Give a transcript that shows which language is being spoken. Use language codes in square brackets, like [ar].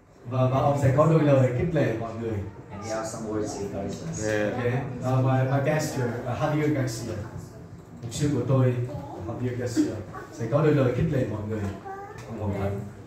[vi] Và ông sẽ có đôi lời khích lệ mọi người. [en] And he has some words in Kazakhstan. Yeah. Okay. My pastor, how do you guys do? [vi] Mục sư của tôi, Javier Garcia, sẽ có đôi lời khích lệ mọi người. Ông hội thánh.